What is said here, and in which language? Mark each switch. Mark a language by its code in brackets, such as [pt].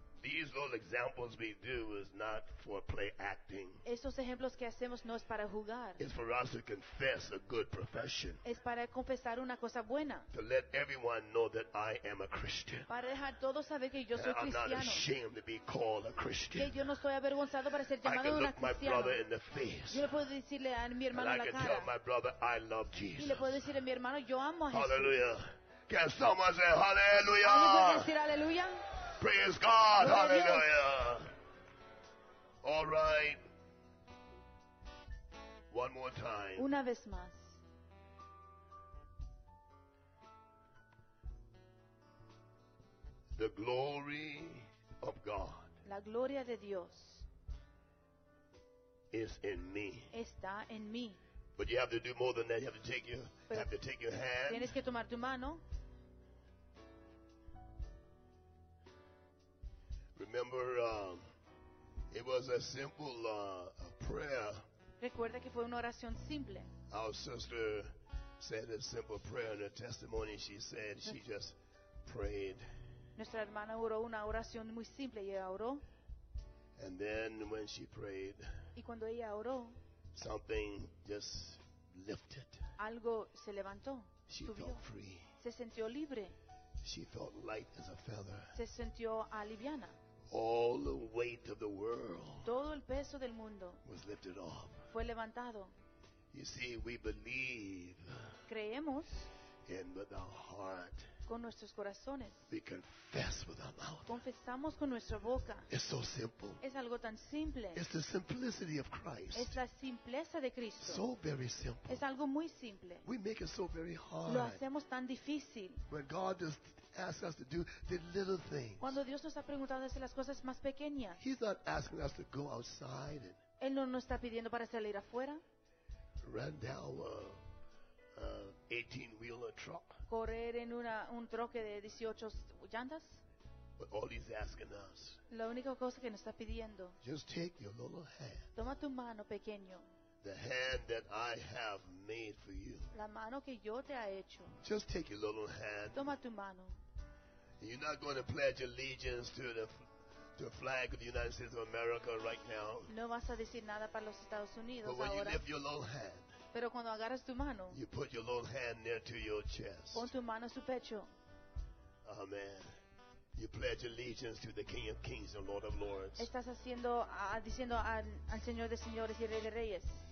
[en] These little examples we do is not for play acting. [es] Esos ejemplos que hacemos no es para jugar. [en] It's for us to confess a good profession. [es] Es para confesar una cosa buena. [en] To let everyone know that I am a Christian. [es] Para dejar todos saber que yo [en] and [es] soy cristiano. [en] I'm not ashamed to be called a Christian. [es] Que yo no estoy avergonzado para ser llamado [en] I can look [es] una cristiana. [en] My brother in the face. [es] Yo le puedo decirle a mi hermano [en] and [es] la [en] I can [es] cara. [en] Tell my brother I love Jesus. [es] Y le puedo decir a mi hermano yo amo a [en] Hallelujah. [es] Jesús. [en] Can someone say hallelujah? Praise God, hallelujah. All right. One more time. [es] Una vez más. [en] The glory of God. [es] La gloria de Dios. [en] Is in me. [es] Está en mí. [en] But you have to do more than that. You have to take your, have to take your hand. [es] Tienes que tomar tu mano. [en] Remember, it was a simple a prayer. [es] Recuerda que fue una oración simple. [en] Our sister said a simple prayer in her testimony. She said she just prayed. [es] Nuestra hermana oró una oración muy simple y oró. [en] And then when she prayed, [es] y cuando ella oró, [en] something just lifted. [es] Algo se levantó. [en] She felt free. [es] Se sintió libre. [en] She felt light as a feather. [es] Se sintió aliviana. [en] All the weight of the world, [es] todo el peso del mundo, [en] was lifted off. [es] Fue levantado. [en] You see, we believe. [es] Creemos. [en] And with our heart, [es] con nuestros corazones, [en] we confess with our mouth. [es] Confesamos con nuestra boca. [en] It's so simple. [es] Es algo tan simple. [en] It's the simplicity of Christ. [es] Es la simpleza de Cristo. [en] So very simple. [es] Es algo muy simple. [en] We make it so very hard. [es] Lo hacemos tan difícil. [en] When God does ask us to do the little things. [es] Cuando Dios nos ha preguntado hacer las cosas más pequeñas. [en] He's not asking us to go outside and [es] Él no nos está pidiendo para salir afuera. [en] Run down a 18-wheeler truck. [es] Correr en un troque de 18 llantas. [en] But all he's asking us. [es] La única cosa que nos está pidiendo. [en] Just take your little hand. [es] Toma tu mano pequeño. [en] The hand that I have made for you. [es] La mano que yo te ha hecho. [en] Just take your little hand. [es] Toma tu mano. [en] You're not going to pledge allegiance to the flag of the United States of America right now. [es] No vas a decir nada para los Estados Unidos ahora. [en] But when you lift your little hand, [es] pero cuando agarras tu mano, [en] you put your little hand near to your chest. [es] Pon tu mano a su pecho. [en] Amen. You pledge allegiance to the King of Kings and Lord of Lords. [es] Estás haciendo, diciendo al Señor de Señores y Rey de Reyes.